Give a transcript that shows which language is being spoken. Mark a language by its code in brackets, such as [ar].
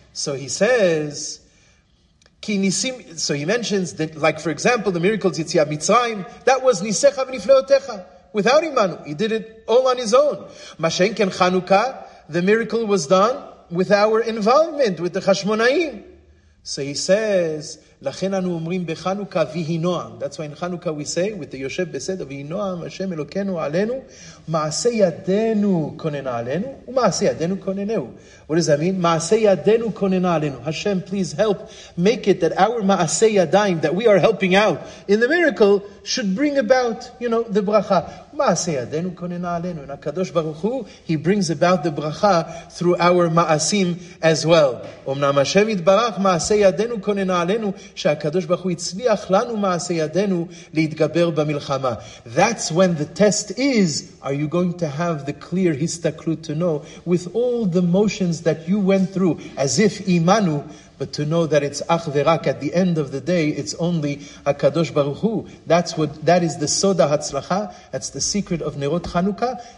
[en] So he says, so he mentions that, like for example, the miracles Yitzhiya Mitzrayim, that was Nisecha v'nifleotecha, without Imanu. He did it all on his own. Mashenken Chanukah, the miracle was done with our involvement, with the Chashmonaim. So he says, [he] לכן אנו אומרים בחנוכה ויהי נועם. [en] That's why in Chanukah we say, with the Yoshev Besed, [he] ויהי נועם, השם אלוקנו עלינו, מעשה ידינו כוננה עלינו, ומעשה ידינו כוננהו. [en] What does that mean? [he] מעשה ידינו כוננה עלינו. [en] Hashem, please help make it that our מעשה ידיים, that we are helping out in the miracle, should bring about, you know, the bracha. [he] מעשה ידינו כוננה עלינו. [en] And הקדוש ברוך הוא, he brings about the bracha through our מעשים as well. [he] אמנם השם יתברך, מעשה ידינו כוננה עלינו, שהקדוש ברוך הוא הצליח לנו מעשה ידינו להתגבר במלחמה. [en] That's when the test is, are you going to have the clear הסתכלות to know with all the motions that you went through as if imanu, but to know that it's ach ve'rak, at the end of the day, it's only HaKadosh Baruch Hu. That is the soda hatzlacha, that's the secret of Nerot Chanukah.